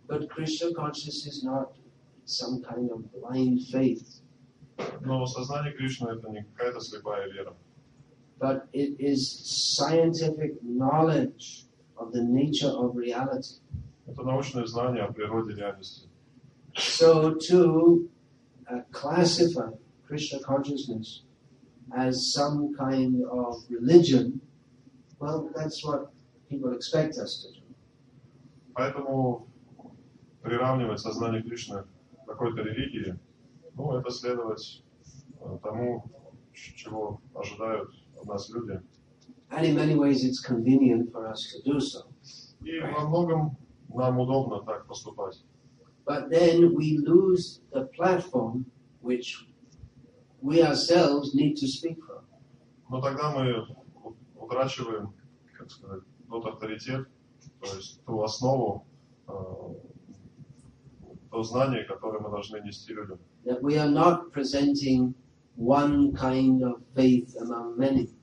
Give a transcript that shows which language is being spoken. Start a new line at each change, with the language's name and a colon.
English: But Krishna consciousness is not some kind of blind faith.
Russian: Но сознание Кришны это не какая-то слепая вера.
English: But it is scientific knowledge of the nature of reality.
Russian: Это научное знание о природе реальности.
English: So to classify Krishna consciousness as some kind of religion, well, that's what people expect us to do.
Russian: Поэтому приравнивать сознание Кришны к какой-то религии, Ну, это следовать тому, чего ожидают от нас люди.
English: And in many ways it's convenient for us to do so.
Russian: И во многом нам удобно так поступать.
English: But then we lose the platform which we ourselves need to speak from.
Russian: Но тогда мы утрачиваем, как сказать, тот авторитет, то есть ту основу, то знание, которое мы должны нести людям.
English: That we are not presenting one kind of faith among many.